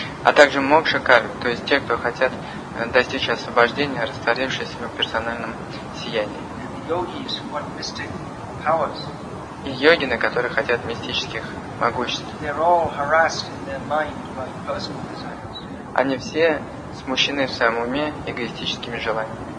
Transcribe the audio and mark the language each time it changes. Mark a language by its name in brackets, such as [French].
[Russian] А также мокша кальп, то есть те, кто хотят достичь освобождения, растворившись в персональном сиянии. [English] Yogis who want mystic powers. [Russian] И йогины, которые хотят мистических могуществ. [English] They're all harassed in their mind by personal desires. [Russian] Они все смущены в своем уме эгоистическими желаниями.